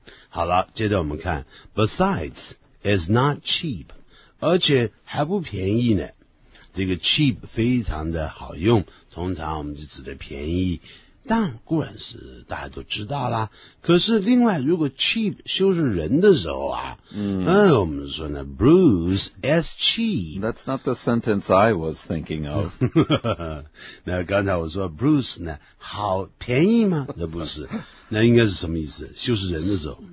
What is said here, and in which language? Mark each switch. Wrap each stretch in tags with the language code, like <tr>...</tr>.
<zh>好了，接着我们看</zh> <en>，Besides， it's not cheap。</en> <zh>而且还不便宜呢这个 cheap 非常的好用通常我们就指的便宜但固然是大家都知道啦，可是另外如果 cheap 修饰人的时候啊，嗯，我们说呢</zh> <en>Bruce is cheap. That's not the sentence I was thinking of.</en> <zh>那刚才我说 Bruce 呢好便宜吗，那不是，那应该是什么意思，修饰人的时候</zh>